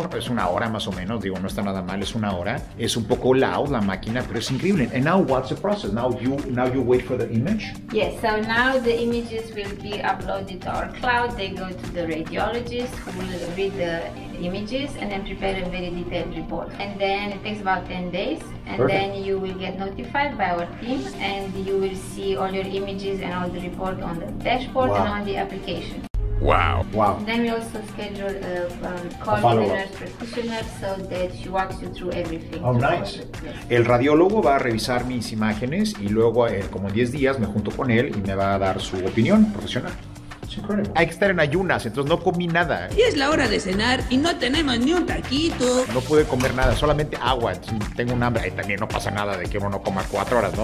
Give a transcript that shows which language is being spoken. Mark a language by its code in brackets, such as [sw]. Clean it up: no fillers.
[es] No, es una hora más o menos, digo, no está nada mal, es una hora. Es un poco loud la máquina, pero es increíble. [en] And now what's the process? Now you wait for the image? Yes, so now the images will be uploaded to our cloud. They go to the radiologist who will read the images and then prepare a very detailed report. And then it takes about 10 days. And Perfect. Then you will get notified by our team and you will see all your images and all the report on the dashboard Wow. and on the application. Wow. Then we also schedule a call with the nurse practitioner so that she walks you through everything. Oh, nice. [es] El radiólogo va a revisar mis imágenes y luego, como en 10 días, me junto con él y me va a dar su opinión profesional. Hay que estar en ayunas, entonces no comí nada. Y es la hora de cenar y no tenemos ni un taquito. No pude comer nada, solamente agua. Tengo un hambre. Y también no pasa nada de que uno no coma 4 horas, ¿no?